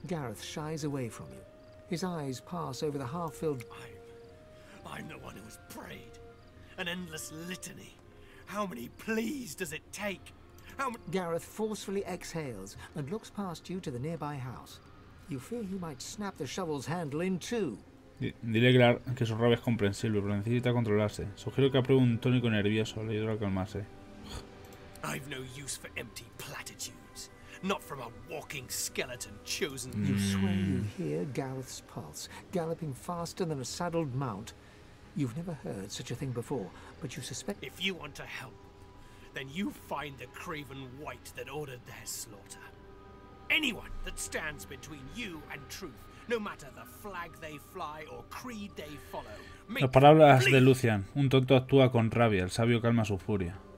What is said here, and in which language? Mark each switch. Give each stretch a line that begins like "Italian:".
English: Gareth shies away from you. His eyes pass over the half-filled... I'm the one who has prayed. An endless litany. How many pleas does it take? Gareth forcefully exhales and looks past you to the nearby house. You fear he might snap the shovel's handle in two.
Spanish: Dile que su rabia es comprensible, pero necesita controlarse. Sugiero que apruebe un tónico nervioso, le ayudará a calmarse.
English: I've no use for empty platitudes. Not from a walking skeleton chosen. You swear you hear Gareth's pulse, galloping faster than a saddled mount. You've never heard such a thing before, but you suspect... If you want to help, then you find the craven wight that ordered their slaughter. Anyone that stands between you and truth, no matter the flag they fly or creed they follow...
Spanish: Las palabras de Lucian. Un tonto actúa con rabia, el sabio calma su furia.